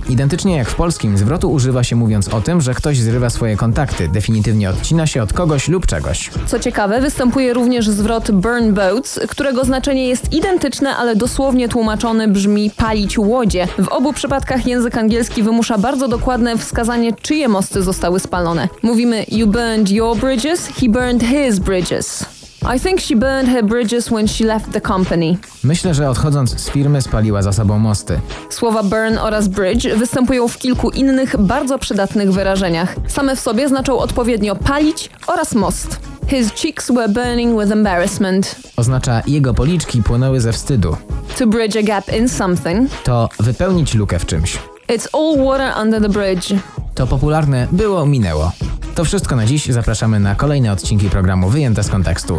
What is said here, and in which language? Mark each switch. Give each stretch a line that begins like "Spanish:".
Polish: Identycznie jak w polskim, zwrotu używa się mówiąc o tym, że ktoś zrywa swoje kontakty, definitywnie odcina się od kogoś lub czegoś. Co ciekawe, występuje również zwrot burn boats, którego znaczenie jest identyczne, ale dosłownie tłumaczone brzmi palić łodzie. W obu przypadkach język angielski wymusza bardzo dokładne wskazanie, czyje mosty zostały spalone. Mówimy
English: you burned your bridges, he burned his bridges. I think she burned her bridges when she left the company.
Polish: Myślę, że odchodząc z firmy spaliła za sobą mosty. Słowa burn oraz bridge występują w kilku innych, bardzo przydatnych wyrażeniach. Same w sobie znaczą odpowiednio palić oraz most.
English: His cheeks were burning with embarrassment.
Polish: Oznacza jego policzki płonęły ze wstydu.
English: To bridge a gap in something.
Polish: To wypełnić lukę w czymś.
English: It's all water under the bridge.
Polish: To popularne było, minęło. To wszystko na dziś. Zapraszamy na kolejne odcinki programu Wyjęte z kontekstu.